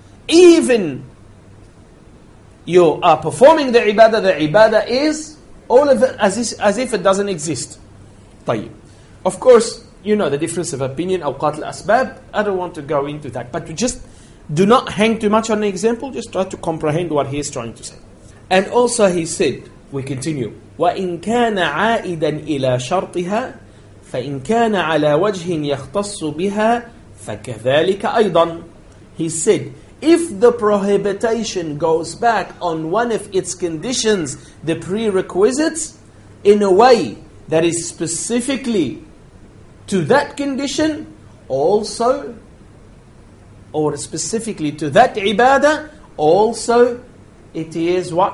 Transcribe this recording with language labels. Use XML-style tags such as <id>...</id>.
<en>Even you are performing the ibadah is all of it as if it doesn't exist.</en> <ar>طيب.</ar> <en>Of course, you know the difference of opinion,</en> <ar>أَوْقَاتِ الْأَسْبَابِ.</ar> <en>I don't want to go into that. But just do not hang too much on the example. Just try to comprehend what he is trying to say. And also he said, we continue,</en> <ar>وَإِنْ كَانَ عَائِدًا إِلَىٰ شَرْطِهَا فَإِنْ كَانَ عَلَىٰ وَجْهٍ يَخْتَصُّ بِهَا فَكَذَلِكَ أَيْضًا.</ar> <en>He said, if the prohibition goes back on one of its conditions, the prerequisites, in a way that is specifically to that condition also, or specifically to that ibadah also, it is what?</en>